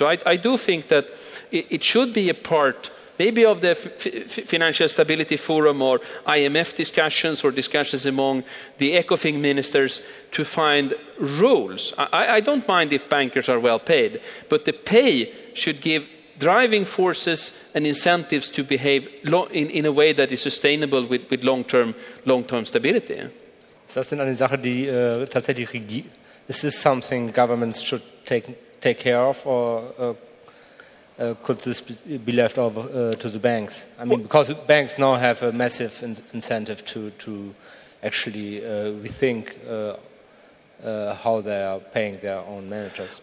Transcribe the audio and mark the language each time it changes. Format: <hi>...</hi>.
<en>So I do think that it should be a part maybe of the Financial Stability Forum or IMF discussions or discussions among the ECOFIN ministers to find rules. I don't mind if bankers are well paid, but the pay should give driving forces and incentives to behave in a way that is sustainable with long-term stability.</en> <de>Ist das denn eine Sache, die tatsächlich regiert?</de> <en>Is this something governments should take care of, or could this be left over to the banks? I mean, because banks now have a massive incentive to actually rethink how they are paying their own managers.</en>